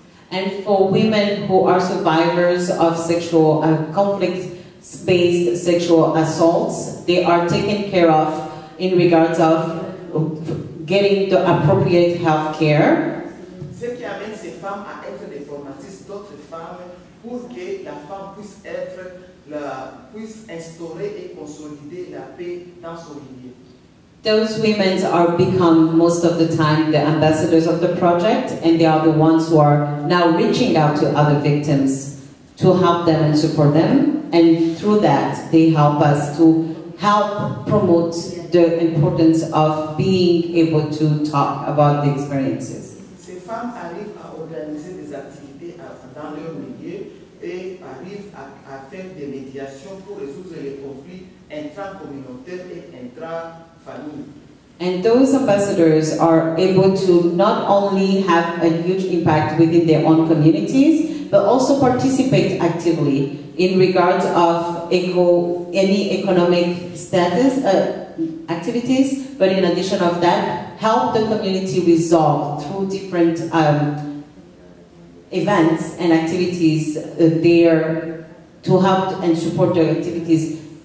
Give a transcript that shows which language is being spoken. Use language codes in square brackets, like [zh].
[en] And for women who are survivors of sexual conflict-based sexual assaults, they are taken care of in regards of getting the appropriate health care. [fr] Ce qui amène ces femmes à être des formatrices d'autres femmes pour que la femme puisse être la puisse instaurer et consolider la paix dans son milieu. [en] Those women are become most of the time the ambassadors of the project, and they are the ones who are now reaching out to other victims to help them and support them. And through that, they help us to help promote the importance of being able to talk about the experiences. [fr] Ces femmes arrivent à organiser des activités dans leur milieu et arrivent à faire des médiations pour résoudre les conflits intra-communautaires et intra-familles. [en] And those ambassadors are able to not only have a huge impact within their own communities, but also participate actively in regards of any economic status activities, but in addition of that, help the community resolve through different events and activities there to help and support their activities.